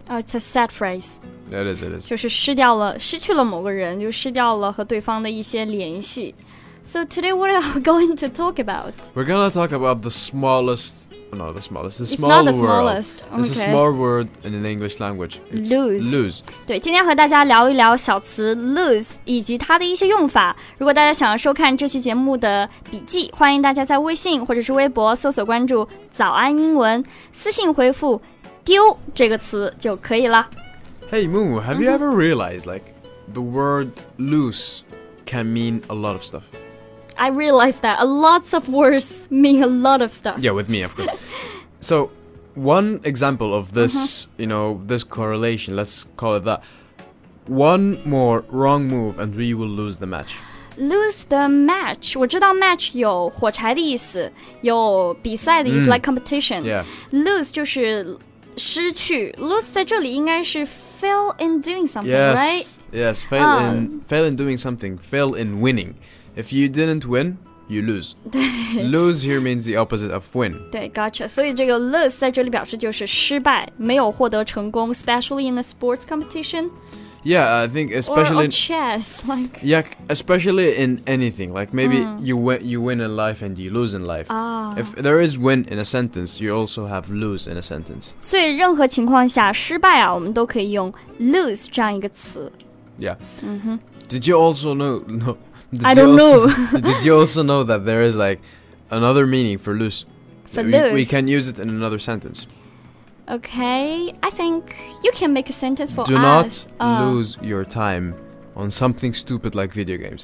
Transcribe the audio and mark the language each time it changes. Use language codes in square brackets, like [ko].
[en] Oh, it's a sad phrase. It is. [zh] 就是失掉了失去了某个人就失掉了和对方的一些联系 [en] So today, what are we going to talk about? We're going to talk about the smallest, no, the smallest, the it's small not the world. Smallest. Okay. It's a small word in an English language. Lose. [zh] 对，今天和大家聊一聊小词 lose 以及它的一些用法。如果大家想要收看这期节目的笔记，欢迎大家在微信或者是微博搜索关注早安英文，私信回复丢这个词就可以了。 [en] Hey, Moon, have you ever realized, like, the word lose can mean a lot of stuff? I realize that a lot of words mean a lot of stuff. Yeah, with me, of course. So, one example of this,、uh-huh. you know, this correlation, let's call it that. One more wrong move and we will lose the match. Lose the match. [zh] 我知道 match 有火柴的意思，有比赛的意思、 [en] like competition. Yeah. [zh] Lose 就是失去 Lose 在这里应该是 [en] fail in doing something, right? Yes, fail in doing something. Fail in winning. If you didn't win, you lose. Lose here means the opposite of win. [zh] 对 gotcha. 所以这个 lose 在这里表示就是失败，没有获得成功 [en] especially in a sports competition. Yeah, I think especially... Or chess, like... Yeah, especially in anything. Like maybe you win in life and you lose in life. If there is win in a sentence, you also have lose in a sentence. [zh] 所以任何情况下失败啊，我们都可以用 lose 这样一个词。 [en] Yeah.、Mm-hmm. Did you also know... No, I don't know. Did you also know that there is like another meaning for lose? For lose? We can use it in another sentence. Okay, I think you can make a sentence for us. Do not lose your time on something stupid like video games.